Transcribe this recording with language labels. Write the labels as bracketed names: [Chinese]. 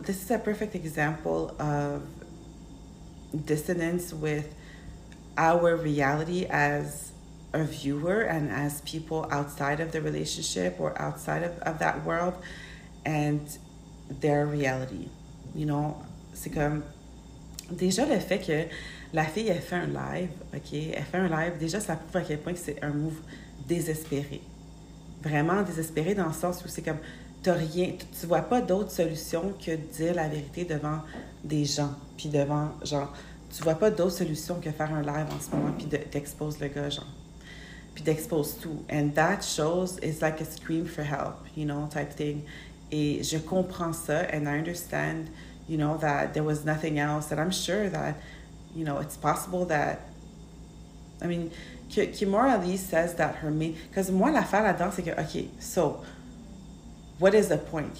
[English] This is a perfect example of dissonance with our reality as a viewer and as people outside of the relationship or outside of that world and their reality. You know, [French] c'est comme déjà le fait que la fille elle fait un live, ok, elle fait un live, déjà ça prouve à quel point que c'est un move désespéré, vraiment désespéré, dans le sens où c'est comme t'as rien, tu vois pas d'autre solution que dire la vérité devant des gens, puis devant genre tu vois pas d'autre solution que faire un live en ce moment, puis t'exposes le gars, genre. Puis t'exposes tout. [English] And that shows is like a scream for help, you know, type thing. [French] Et je comprends ça, [English] and I understand, you know, that there was nothing else. And I'm sure that, you know, it's possible that, I mean, Kimora Lee says that her main, because [French] moi, l'affaire là-dedans, c'est que, [English] okay, so, what is the point?